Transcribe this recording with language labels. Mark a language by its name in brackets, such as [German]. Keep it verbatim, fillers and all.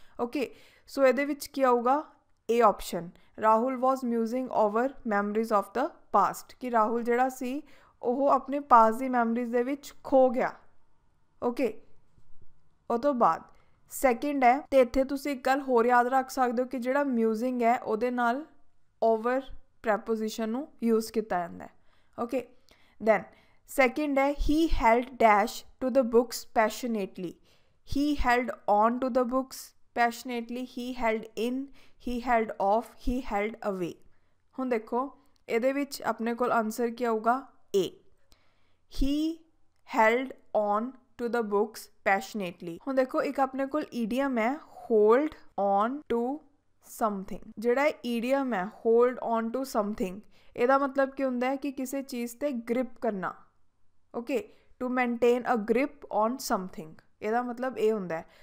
[Punjabi] Okay, ਸੋ ਇਹਦੇ ਵਿੱਚ ਕੀ ਆਊਗਾ A option, [English] Rahul was musing over memories of the past, [Punjabi] ਕਿ ਰਾਹੁਲ ਜਿਹੜਾ ਸੀ ਉਹ ਆਪਣੇ ਪਾਸ ਦੀ ਮੈਮਰੀਜ਼ ਦੇ ਵਿੱਚ ਖੋ ਗਿਆ। ਓਕੇ, ਉਹ ਤੋਂ ਬਾਅਦ ਸੈਕਿੰਡ ਹੈ, ਅਤੇ ਇੱਥੇ ਤੁਸੀਂ ਇੱਕ ਗੱਲ ਹੋਰ ਯਾਦ ਰੱਖ ਸਕਦੇ ਹੋ ਕਿ ਜਿਹੜਾ ਮਿਊਜ਼ਿੰਗ ਹੈ ਉਹਦੇ ਨਾਲ ਓਵਰ ਪ੍ਰੈਪੋਜੀਸ਼ਨ ਨੂੰ ਯੂਜ਼ ਕੀਤਾ ਜਾਂਦਾ। [English] Okay, then second hai, he held dash to the books passionately. He held on to the books passionately. He held in, he held off, he held away. [Punjabi] Hun dekho ਇਹਦੇ ਵਿੱਚ ਆਪਣੇ ਕੋਲ answer ਕੀ ਆਊਗਾ A, [English] he held on to the books passionately. [Punjabi] ਹੁਣ ਦੇਖੋ ਇੱਕ ਆਪਣੇ ਕੋਲ idiom ਹੈ [English] hold on to something. [Punjabi] ਜਿਹੜਾ idiom ਹੈ [English] hold on to something, [Punjabi] ਇਹਦਾ ਮਤਲਬ ਕੀ ਹੁੰਦਾ ਹੈ ਕਿ ਕਿਸੇ ਚੀਜ਼ 'ਤੇ ਗ੍ਰਿਪ ਕਰਨਾ। [English] okay, to maintain a grip on something, [Punjabi] ਇਹਦਾ ਮਤਲਬ ਇਹ ਹੁੰਦਾ ਹੈ।